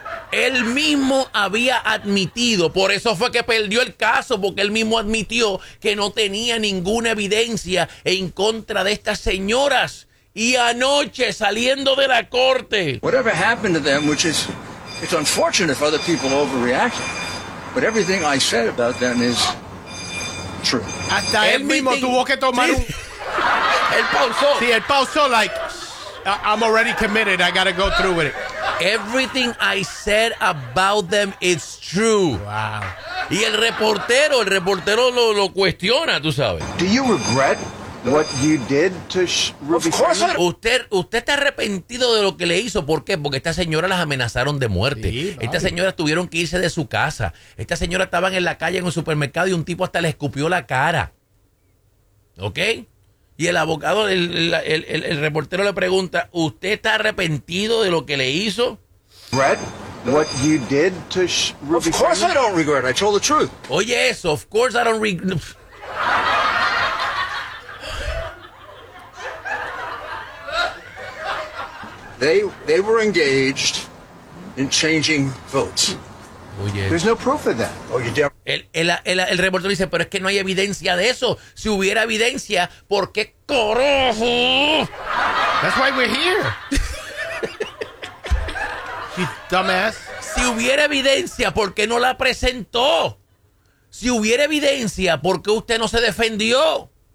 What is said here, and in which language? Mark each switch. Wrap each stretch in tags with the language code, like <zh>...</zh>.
<es>Él mismo había admitido, por eso fue que perdió el caso, porque él mismo admitió que no tenía ninguna evidencia en contra de estas señoras. Y anoche, saliendo de la corte.</es> <en>Whatever happened to them, which is, it's unfortunate if other people overreacted, but everything I said about them is true.</en> <es>Hasta él mismo tuvo que tomar un... Él pausó. Sí, él pausó,</es> <en>like, I'm already committed, I gotta go through with it. Everything I said about them is true. Wow.</en> <es>Y el reportero lo cuestiona, tú sabes.</es> <en>Do you regret what you did to Ruby? Of course.</en> <es>¿Usted está arrepentido de lo que le hizo? ¿Por qué? Porque esta señora las amenazaron de muerte. Sí, esta señora tuvieron que irse de su casa. Esta señora estaban en la calle en un supermercado y un tipo hasta le escupió la cara. ¿Ok? Y el abogado, el reportero le pregunta, ¿usted está arrepentido de lo que le hizo?</es> <en>Regret what you did to Ruby. Of course I don't regret. I told the truth.</en> <es>Oye, eso,</es> <en>of course I don't regret. They were engaged in changing votes.</en> <es>Oye.</es> <en>There's no proof of that. Oh, you damn.</en> <es>El reportero dice, pero es que no hay evidencia de eso. Si hubiera evidencia, ¿por qué corrojo?</es> <en>That's why we're here. You dumbass.</en> <es>Si hubiera evidencia, ¿por qué no la presentó? Si hubiera evidencia, ¿por qué usted no se defendió?</es>